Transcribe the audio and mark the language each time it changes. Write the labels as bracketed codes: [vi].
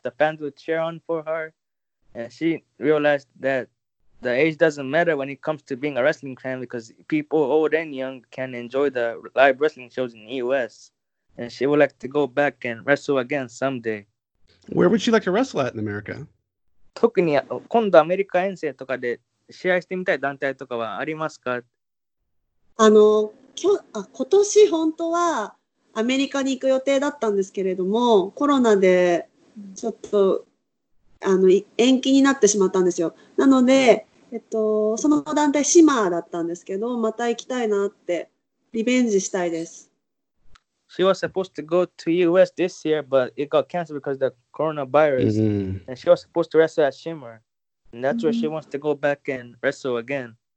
[en] The fans would cheer on for her, and she realized that. The age doesn't matter when it comes to being a wrestling fan because people old and young can enjoy the live wrestling shows in the US. And she would like to go back and wrestle again someday. Where would she like to wrestle at in America? [ja] 特に今度アメリカ遠征とかで試合してみたい団体とかはありますか？今年本当はアメリカに行く予定だったんですけれども、コロナでちょっと延期になってしまったんですよ。なので、その団体シマーだったんですけど、また行きたいなってリベンジしたいです。 [en] She was supposed to go to US this year, but it got canceled because of the coronavirus. Mm-hmm. And she was supposed to wrestle at Shimmer. And that's where she wants to go back and wrestle again.